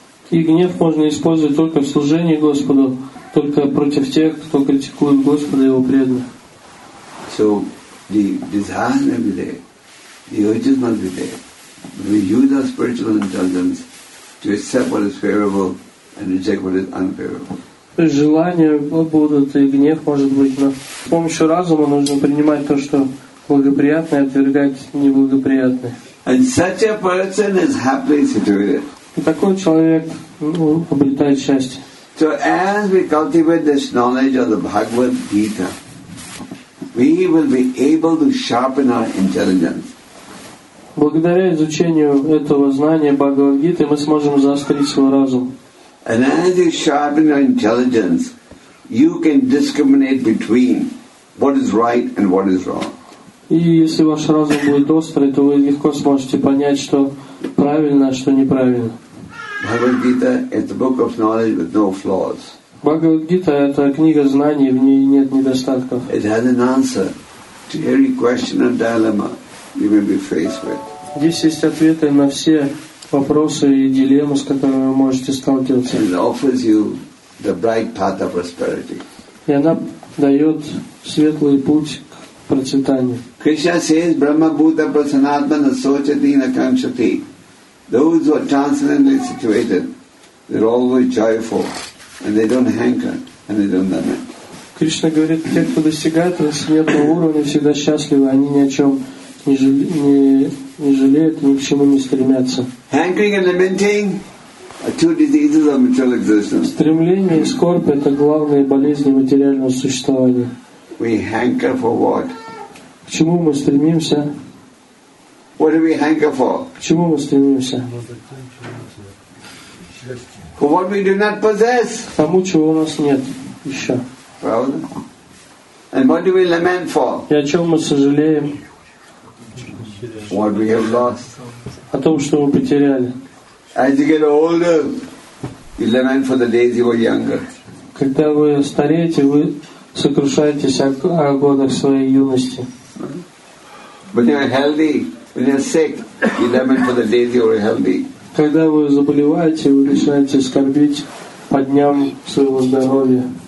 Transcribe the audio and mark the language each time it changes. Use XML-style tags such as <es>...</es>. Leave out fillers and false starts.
<ru>И гнев можно использовать только в служении Господу, только против тех, кто критикует Господа и его преданных.</ru> <en>So the desire must be there, the urges must be there. We use our spiritual intelligence to accept what is favorable and reject what is unfavorable.</en> <ru>Желания будут и гнев может быть, но с помощью разума нужно принимать то, что благоприятное, отвергать неблагоприятное.</ru> <en>And such a person is happily situated.</en> <ru>И такой человек обретает счастье.</ru> <en>So as we cultivate this knowledge of the Bhagavad Gita, we will be able to sharpen our intelligence.</en> <ru>Благодаря изучению этого знания Бхагавад-гиты мы сможем заострить свой разум.</ru> <en>And as you sharpen your intelligence, you can discriminate between what is right and what is wrong.</en> <ru>И если ваш разум будет острый, то вы легко сможете понять, что правильно, а что неправильно.</ru> <en>Бхагавад-гита is the book of knowledge with no flaws.</en> <ru>Бхагавад-гита — это книга знаний, в ней нет недостатков.</ru> <en>It has an answer to every question or dilemma you may be faced with.</en> <ru>Здесь есть ответы на все вопросы и дилеммы, с которыми вы можете сталкиваться.</ru> <en>It offers you the bright path of prosperity.</en> <ru>И она дает светлый путь к процветанию.</ru> <en>Krishna says,</en> <sa>"Brahma Bhuta Prasanatmana Sochati Nakanshati."</sa> <en>Those who are transcendentally situated, they're always joyful. And they don't hanker, and they don't lament.</en> <ru>Кришна говорит, те, кто достигает трансцендентного уровня, всегда счастливы. Они ни о чем не жалеют, ни к чему не стремятся.</ru> <en>Hankering and lamenting are two diseases of material existence.</en> <ru>Стремление и скорбь — это главные болезни материального существования.</ru> <en>We hanker for what?</en> <ru>К чему мы стремимся?</ru> <en>What do we hanker for?</en> <ru>К чему мы стремимся?</ru> <en>For what we do not possess.</en> <ru>Тому, чего у нас нет еще. Правда?</ru> <en>And what do we lament for?</en> <ru>И о чем мы сожалеем?</ru> <en>What we have lost.</en> <ru>О том, что мы потеряли.</ru> <en>As you get older, you lament for the days you were younger.</en> <ru>Когда вы стареете, вы сокрушаетесь о годах своей юности.</ru> <en>When you are healthy, when you are sick, you lament for the days you were healthy.</en> <ru>Когда вы заболеваете, вы начинаете скорбить по дням своего здоровья.</ru>